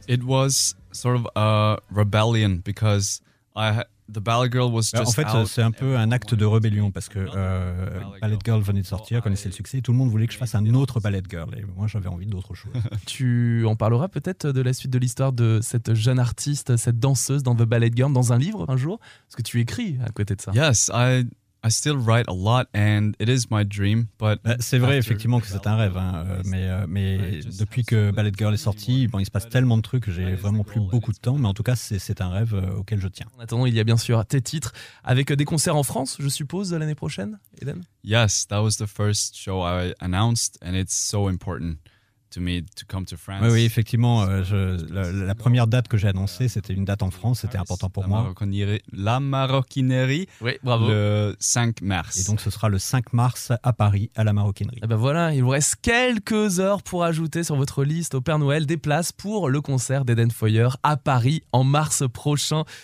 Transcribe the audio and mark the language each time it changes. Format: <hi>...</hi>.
<en>It was sort of a rebellion because The Ballet Girl was just</en> <fr>En fait,</fr> <en>out</en> <fr>c'est un peu un acte de rébellion parce que Ballet Girl venait de sortir, connaissait le succès et tout le monde voulait que je fasse un autre Ballet Girl et moi j'avais envie d'autre chose. Tu en parleras peut-être de la suite de l'histoire de cette jeune artiste, cette danseuse dans The Ballet Girl dans un livre un jour, parce que tu écris à côté de ça.</fr> <en>Yes, I I still write a lot and it is my dream, but</en> <fr>c'est vrai effectivement que c'est un rêve, hein, mais depuis que Ballet Girl est sorti, bon, il se passe tellement de trucs, j'ai vraiment plus beaucoup de temps, mais en tout cas c'est un rêve auquel je tiens. En attendant, il y a bien sûr tes titres avec des concerts en France, je suppose, l'année prochaine, Eden.</fr> <en>Yes, that was the first show I announced and it's so important.</en> <fr>Oui, oui, effectivement, la première date que j'ai annoncée, c'était une date en France, c'était important pour moi. La Maroquinerie, oui, bravo. Le 5 mars. Et donc, ce sera le 5 mars à Paris, à la Maroquinerie. Et ben voilà, il vous reste quelques heures pour ajouter sur votre liste au Père Noël des places pour le concert d'Eden Foyer à Paris en mars prochain.</fr>